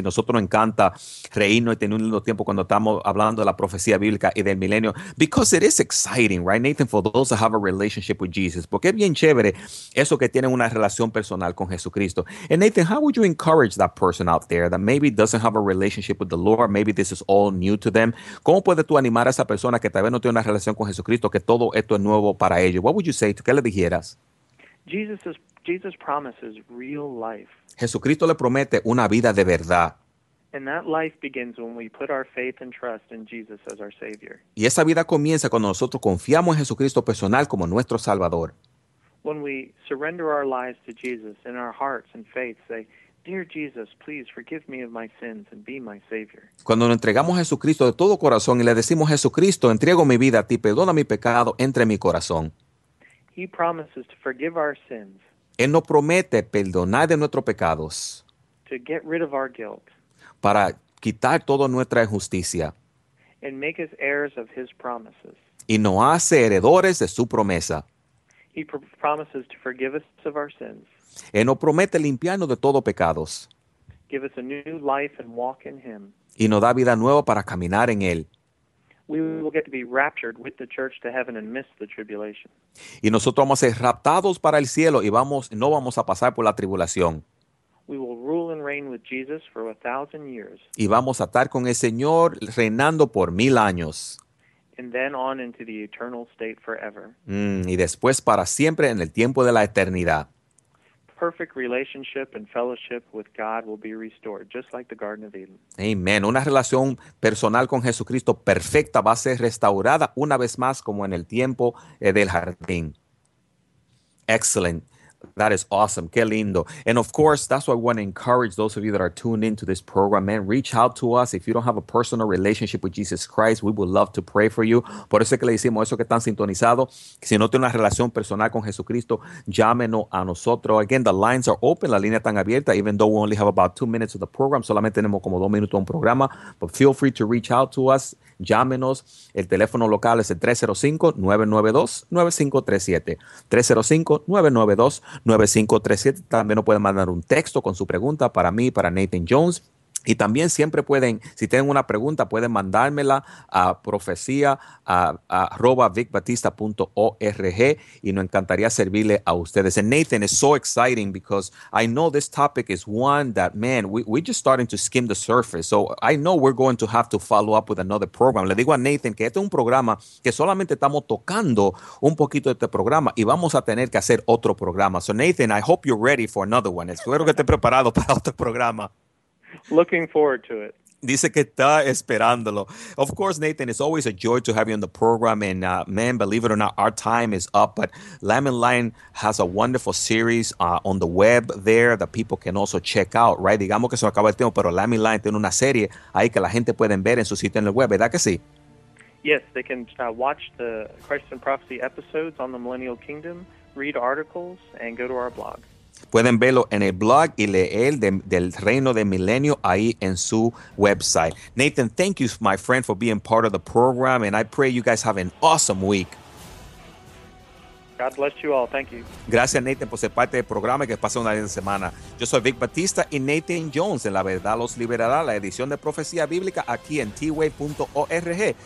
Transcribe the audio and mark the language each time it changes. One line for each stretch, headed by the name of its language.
Spanish: Nosotros nos encanta reírnos y tener un lindo tiempo cuando estamos hablando de la profecía bíblica y del milenio.
English: Because it is exciting, right, Nathan, for those that have a relationship with Jesus.
Spanish: Porque es bien chévere eso que tienen una relación personal con Jesucristo.
English: And Nathan, how would you encourage that person out there that maybe doesn't have a relationship with the Lord, maybe this is all new to them?
Spanish: ¿Cómo puedes tú animar a esa persona que tal vez no tiene una relación con Jesucristo, que todo esto es nuevo para ellos?
English: What would you say?
Spanish: ¿Qué le dijeras?
English: Jesus promises real life.
Spanish: Jesucristo le promete una vida de verdad.
English: And that life begins when we put our faith and trust in Jesus as our Savior.
Spanish: Y esa vida comienza cuando nosotros confiamos en Jesucristo personal como nuestro Salvador.
English: When we surrender our lives to Jesus in our hearts and faith, say, Dear Jesus, please forgive me of my sins and be my Savior.
Spanish: Cuando nos entregamos a Jesucristo de todo corazón y le decimos, Jesucristo, entrego mi vida a ti, perdona mi pecado, entre en mi corazón.
English: He promises to forgive our sins.
Spanish: Él nos promete perdonar de nuestros pecados.
English: To get rid of our guilt.
Spanish: Para quitar toda nuestra injusticia.
English: And make us heirs of his promises.
Spanish: Y nos hace heredores de su promesa.
English: He promises to forgive us of our sins.
Spanish: Él nos promete limpiarnos de todo pecados.
English: Give us a new life and walk in him.
Spanish: Y nos da vida nueva para caminar en Él.
English: We will get to be raptured with the church to heaven and miss the tribulation.
Spanish: Y nosotros vamos a ser raptados para el cielo y no vamos a pasar por la tribulación.
English: We will rule and reign with Jesus for 1,000 years.
Spanish: Y vamos a estar con el Señor reinando por 1,000 años.
English: And then on into the eternal state forever.
Spanish: Y después para siempre en el tiempo de la eternidad.
English: Perfect relationship and fellowship with God will be restored, just like the Garden of Eden. Amen.
Spanish: Una relación personal con Jesucristo perfecta va a ser restaurada una vez más como en el tiempo del jardín.
English: Excellent. That is awesome.
Spanish: Qué lindo.
English: And of course, that's why we want to encourage those of you that are tuned into this program, man. Reach out to us. If you don't have a personal relationship with Jesus Christ, we would love to pray for you.
Spanish: Por eso es que le decimos eso que están sintonizados. Si no tiene una relación personal con Jesucristo, llámenos a nosotros.
English: Again, the lines are open.
Spanish: La línea está abierta.
English: Even though we only have about 2 minutes of the program,
Spanish: solamente tenemos como 2 minutos de un programa.
English: But feel free to reach out to us.
Spanish: llámenos. El teléfono local es el 305-992-9537. 305-992-9537. También nos pueden mandar un texto con su pregunta para mí, para Nathan Jones. Y también siempre pueden, si tienen una pregunta, pueden mandármela a profecia@vicbatista.org y nos encantaría servirle a ustedes.
English: And Nathan, it's so exciting because I know this topic is one that, man, we're just starting to skim the surface. So I know we're going to have to follow up with another program.
Spanish: Le digo a Nathan que este es un programa que solamente estamos tocando un poquito de este programa y vamos a tener que hacer otro programa.
English: So Nathan, I hope you're ready for another one.
Spanish: Espero que esté preparado para otro programa.
English: Looking forward to it.
Spanish: Dice que está esperándolo.
English: Of course, Nathan, it's always a joy to have you on the program. And man, believe it or not, our time is up. But Lamb and Lion has a wonderful series on the web there that people can also check out, right?
Spanish: Digamos que se acaba el tiempo, pero Lamb and Lion tiene una serie ahí que la gente pueden ver en su sitio en el web, ¿verdad que sí?
English: Yes, they can watch the Christ and Prophecy episodes on the Millennial Kingdom, read articles, and go to our blog.
Spanish: Pueden verlo en el blog y leer del Reino de Milenio ahí en su website.
English: Nathan, thank you, my friend, for being part of the program, and I pray you guys have an awesome week. God bless you all. Thank you.
Spanish: Gracias, Nathan, por ser parte del programa y que pase una linda semana. Yo soy Vic Batista y Nathan Jones en La Verdad Los Liberará, la edición de Profecía Bíblica aquí en tway.org.